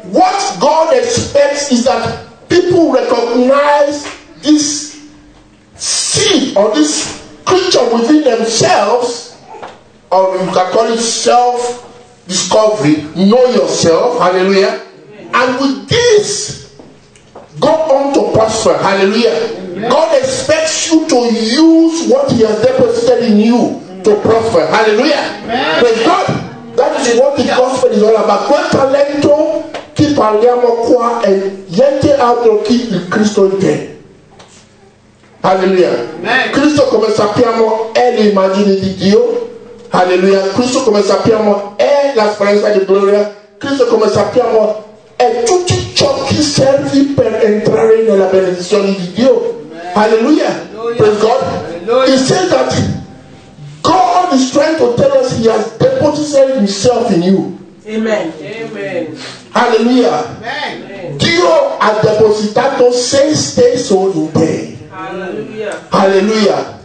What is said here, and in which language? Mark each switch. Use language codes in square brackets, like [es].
[en] What God expects is that people recognize this seed or this creature within themselves, or you can call it self-discovery, know yourself. Hallelujah. Amen. And with this, go on to prosper. Hallelujah. Amen. God expects you to use what he has deposited in you to prosper. Hallelujah. Amen. Praise God. That is what the gospel is all about. [it] Quel talento qui parliamo qua e niente altro che il Cristo in te. Alleluia. Cristo, come sappiamo, è l'immagine di Dio. Alleluia. Cristo, come sappiamo, è la speranza di gloria. Cristo, come sappiamo, è tutto ciò che serve per entrare nella benedizione di Dio. [en] Alleluia. Praise God. He said that God is trying to tell us He has deposited Himself in you. Amen. Amen. Hallelujah. Amen. [it] Dio ha depositato se stesso in te. [en] Hallelujah. Hallelujah.